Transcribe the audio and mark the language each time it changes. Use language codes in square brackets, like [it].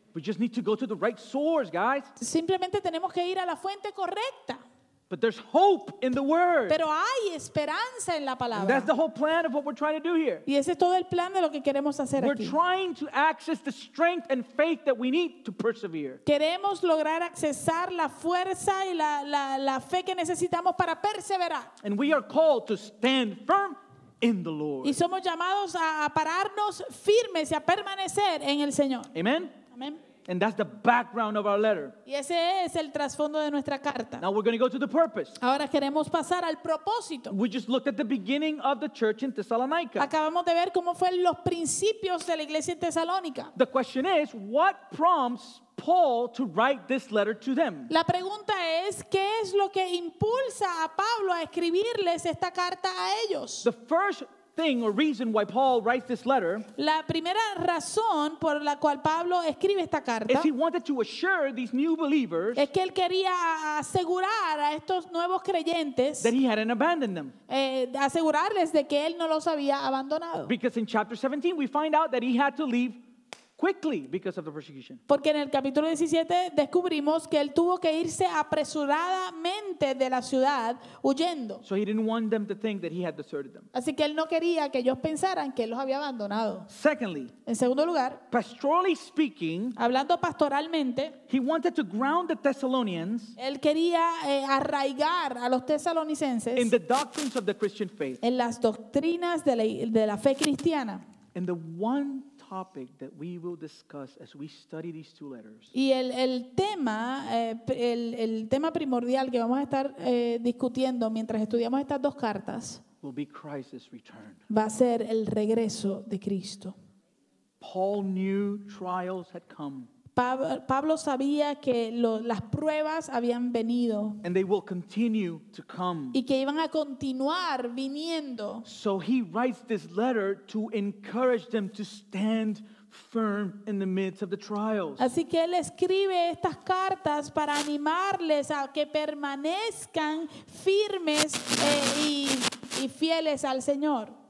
[en] We just need to go to the right source, guys. [es] Simplemente tenemos que ir a la fuente correcta. [en] But there's hope in the word. [es] Pero hay esperanza en la palabra. [en] And that's the whole plan of what we're trying to do here. [es] Y ese es todo el plan de lo que queremos hacer aquí. [en] We're trying to access the strength and faith that we need to persevere. [es] Queremos lograr accesar la fuerza y la fe que necesitamos para perseverar. [en] And we are called to stand firm in the Lord. [es] Y somos llamados a pararnos firmes y a permanecer en el Señor. [en] Amen. [es] Amen. [en] And that's the background of our letter. [es] Y ese es el trasfondo de nuestra carta. [en] Now we're going to go to the purpose. [es] Ahora queremos pasar al propósito. [en] We just looked at the beginning of the church in Thessalonica. [es] Acabamos de ver cómo fueron los principios de la iglesia en Tesalónica. [en] The question is, what prompts Paul to write this letter to them? [es] La pregunta es, ¿qué es lo que impulsa a Pablo a escribirles esta carta a ellos? [en] The first thing or reason why Paul writes this letter, [es] la primera razón por la cual Pablo escribe esta carta, [en] is he wanted to assure these new believers, [es] es que él quería asegurar a estos nuevos creyentes, [en] that he hadn't abandoned them, [es] asegurarles de que él no los había abandonado, [en] because in chapter 17 we find out that he had to leave quickly because of the persecution. [es] Porque en el capítulo 17 descubrimos que él tuvo que irse apresuradamente de la ciudad huyendo. [en] So he didn't want them to think that he had deserted them. [es] Así que él no quería que ellos pensaran que él los había abandonado. [en] Secondly, [es] en segundo lugar, [en] pastorally speaking, [es] hablando pastoralmente, [en] he wanted to ground the Thessalonians, [es] él quería arraigar a los tesalonicenses, [en] in the doctrines of the Christian faith, [es] en las doctrinas de la fe cristiana. [en] And the one topic that we will discuss as we study these two letters. [es] Y el tema primordial que vamos a estar discutiendo mientras estudiamos estas dos cartas [en] will be Christ's return. [es] Va a ser el regreso de Cristo. [en] Paul knew trials had come. [es] Pablo sabía que las pruebas habían venido. [en] And they will continue to come. [es] Y que iban a continuar viniendo. [en] So he writes this letter to encourage them to stand firm in the midst of the trials. [es] Así que él escribe estas cartas para animarles a que permanezcan firmes y fieles al Señor.